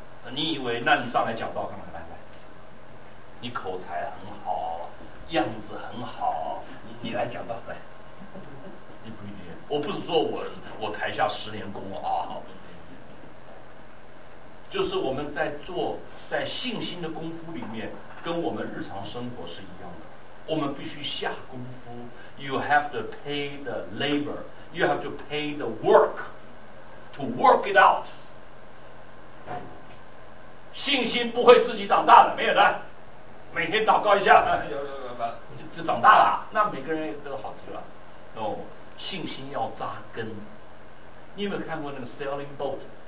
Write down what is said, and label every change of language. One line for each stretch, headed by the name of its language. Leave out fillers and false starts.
Chinese: 你以为那你上来讲道干嘛？来，你口才很好，样子很好，你来讲道来。你不一定，我不是说我台下十年功啊，就是我们在做在信心的功夫里面，跟我们日常生活是一样的，我们必须下功夫。
English: You have to pay the labor, you have to pay the work to work it out.
Chinese: 信心不会自己长大的，没有的，每天祷告一下就长大了，那每个人都好吃了。 No, 信心要扎根。你有没有看过那个 sailing boat?